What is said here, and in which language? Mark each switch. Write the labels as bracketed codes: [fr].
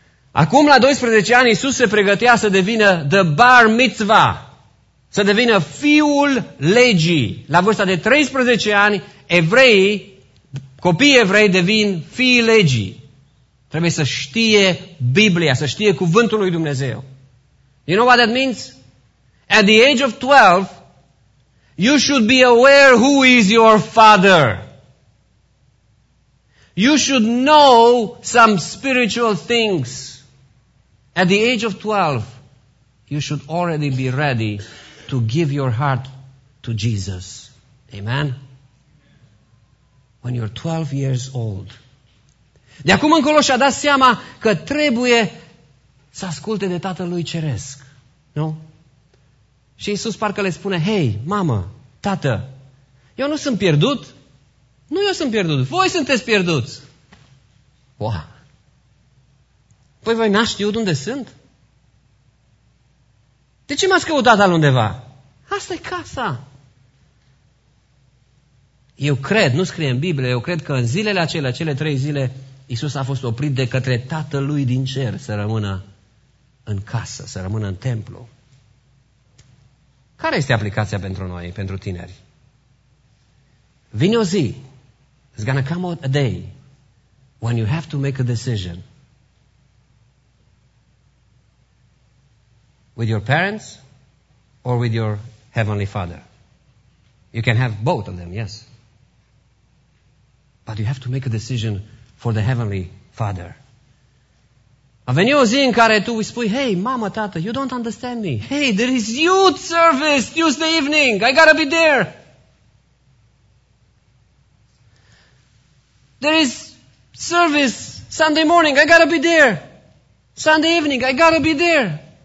[ro] Acum la 12 ani Iisus se pregătea să devină the bar mitzvah, să devină fiul legii. La vârsta de 13 ani evreii, copiii evrei devin fii legii. Trebuie să știe Biblia, să știe cuvântul lui Dumnezeu. [en] You know what that means? At the age of 12, you should be aware who is your father. You should know some spiritual things. At the age of 12, you should already be ready to give your heart to Jesus. Amen? when you're 12 years old. [ro] De acum încolo și-a dat seama că trebuie să asculte de Tatăl lui Ceresc. Nu? Și Iisus parcă le spune, hei, mamă, tată, eu nu sunt pierdut. Nu eu sunt pierdut, voi sunteți pierduți. Wow. Păi voi n-ați știut unde sunt? De ce m-ați căutat alundeva? Asta e casa. Eu cred, nu scrie în Biblie, eu cred că în zilele acelea, cele trei zile, Iisus a fost oprit de către Tatălui din cer să rămână în casă, să rămână în templu. Care este aplicația pentru noi, pentru tineri? Vine o zi, [en] it's gonna come a day, when you have to make a decision. With your parents or with your heavenly father. You can have both of them, yes. But you have to make a decision for the heavenly father. [ro] A venit o zi în care tu îi spui, hey, mama, tată, [en] you don't understand me. Hey, there is youth service Tuesday evening. I gotta be there. There is service Sunday morning. I gotta be there. Sunday evening. I gotta be there.